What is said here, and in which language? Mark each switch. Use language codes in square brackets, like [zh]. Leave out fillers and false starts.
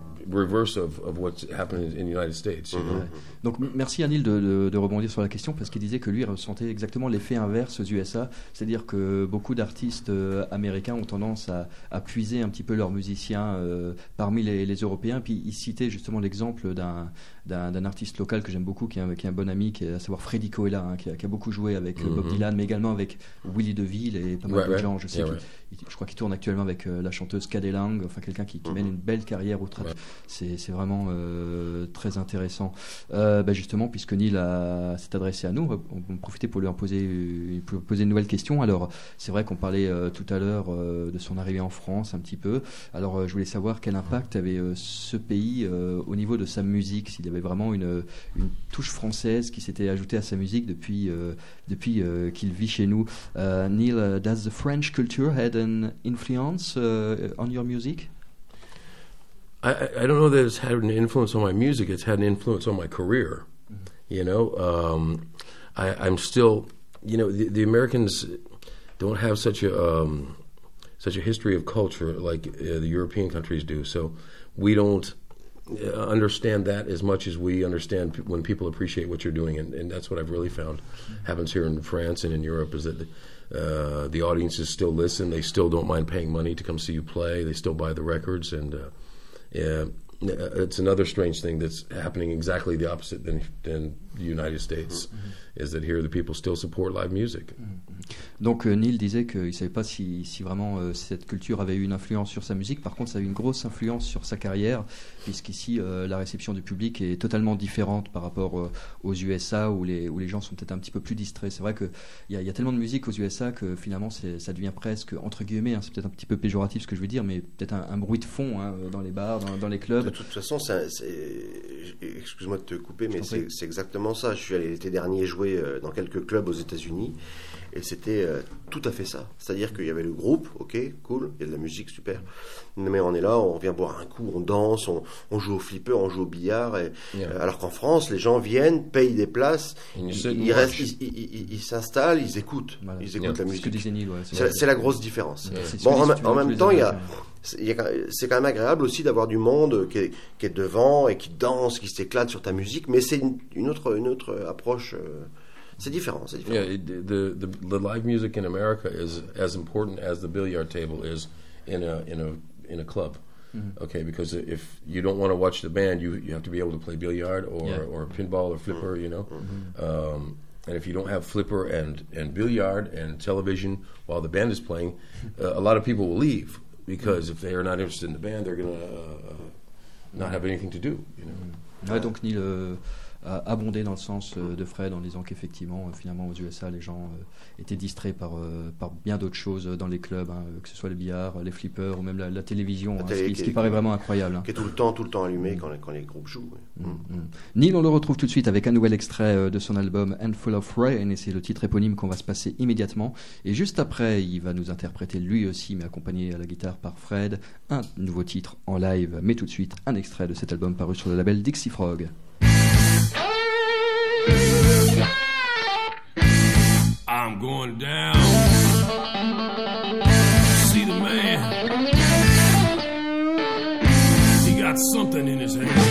[en] reverse of what's happening in the United States. [fr] Mm-hmm. Ouais. Donc merci Anil de rebondir sur la question, parce qu'il disait que lui ressentait exactement l'effet inverse aux USA, c'est-à-dire que beaucoup d'artistes américains ont tendance à puiser un petit peu leurs musiciens parmi les Européens. Puis il citait justement l'exemple d'un artiste local que j'aime beaucoup, qui est un bon ami, à savoir Freddy Coella, hein, qui a beaucoup joué avec Bob Dylan, mais également avec Willie DeVille et pas mal de gens. Je crois qu'il tourne actuellement avec la chanteuse Cade Lang, enfin quelqu'un qui mène une belle carrière outre. C'est vraiment très intéressant. Justement, puisque Neil s'est adressé à nous, on va profiter pour lui poser une nouvelle question. Alors, c'est vrai qu'on parlait tout à l'heure de son arrivée en France un petit peu. Alors, je voulais savoir quel impact avait ce pays au niveau de sa musique, s'il y avait vraiment une touche française qui s'était ajoutée à sa musique depuis qu'il vit chez nous. [en] Neil, does the French culture had an influence on your music? I don't know that it's had an influence on my music. It's had an influence on my career. Mm-hmm. You know, I'm still, you know, the Americans don't have such a such a history of culture like the European countries do. So we don't understand that as much as we understand when people appreciate what you're doing. And that's what I've really found happens here in France and in Europe is that the audiences still listen. They still don't mind paying money to come see you play. They still buy the records. And it's another strange thing that's happening exactly the opposite than the United States, mm-hmm. is that here the people still support live music. [fr] Donc Neil disait qu'il ne savait pas si vraiment cette culture avait eu une influence sur sa musique. Par contre, ça a eu une grosse influence sur sa carrière, puisqu'ici, la réception du public est totalement différente par rapport aux USA, où les gens sont peut-être un petit peu plus distraits. C'est vrai qu'il y a tellement de musique aux USA que finalement, ça devient presque, entre guillemets, hein, c'est peut-être un petit peu péjoratif ce que je veux dire, mais peut-être un bruit de fond hein, dans les bars, dans les clubs. De toute façon, excuse-moi de te couper, mais c'est exactement ça. Je suis allé l'été dernier jouer dans quelques clubs aux États-Unis. Et c'était tout à fait ça. C'est-à-dire qu'il y avait le groupe, ok, cool, il y a de la musique, super. Mais on est là, on vient boire un coup, on danse, on joue au flipper, on joue au billard. Et, alors qu'en France, les gens viennent, payent des places, ils s'installent, ils écoutent. Voilà. Ils écoutent la musique. C'est, ce que disait Neil, ouais, c'est la grosse différence. Ouais. Bon, en même temps, c'est quand même agréable aussi d'avoir du monde qui est devant et qui danse, qui s'éclate sur ta musique. Mais c'est une autre approche. C'est différent. [en] Yeah, the live music in America is as important as the billiard table is in a club. Mm-hmm. Okay, because if you don't want to watch the band, you have to be able to play billiard or pinball or flipper, mm-hmm. you know. Mm-hmm. And if you don't have flipper and billiard and television while the band is playing, a lot of people will leave because mm-hmm. if they are not interested in the band, they're going to not have anything to do, you know. Mm-hmm. [fr] Ouais, donc ni le abondé dans le sens de Fred en disant qu'effectivement finalement aux USA les gens étaient distraits par bien d'autres choses dans les clubs hein, que ce soit les billards, les flippers ou même la télévision la télé, hein, ce qui paraît vraiment incroyable qui est tout le temps allumé quand les groupes jouent ouais. Neil on le retrouve tout de suite avec un nouvel extrait de son album Handful of Rain et c'est le titre éponyme qu'on va se passer immédiatement et juste après il va nous interpréter lui aussi mais accompagné à la guitare par Fred un nouveau titre en live mais tout de suite un extrait de cet album paru sur le label Dixie Frog. [en] I'm going down see the man. He got something in his hand.